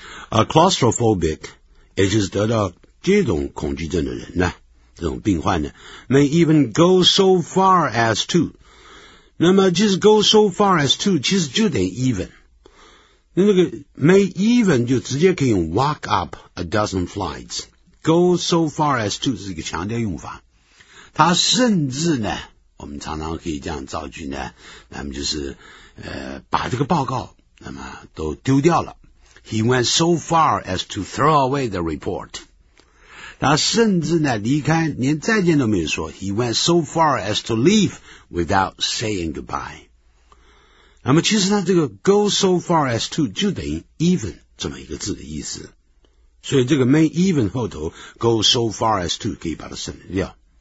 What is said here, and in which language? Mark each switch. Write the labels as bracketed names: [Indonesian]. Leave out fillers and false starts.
[Chinese] claustrophobic。 也就是得到这种恐惧症的人呢，这种病患呢 [English] may even go so far as to， [Chinese] 那么就是 [English] go so far as to， [Chinese] 其实就等于 even， 那个 may even 就直接可以用 [English] walk up a dozen flights， [Chinese] go so far as to 是一个强调用法，他甚至呢，我们常常可以这样造句呢，那么就是把这个报告那么都丢掉了。 [English] He went so far as to throw away the report. [Chinese] 他甚至呢离开连再见都没有说。 [English] He went so far as to leave without saying goodbye. [Chinese] 那么其实他这个 [English] go so far as to [Chinese] 就等于 even 这么一个字的意思。所以这个 [English] may even [Chinese] 后头 [English] go so far as to [Chinese] 可以把它省掉。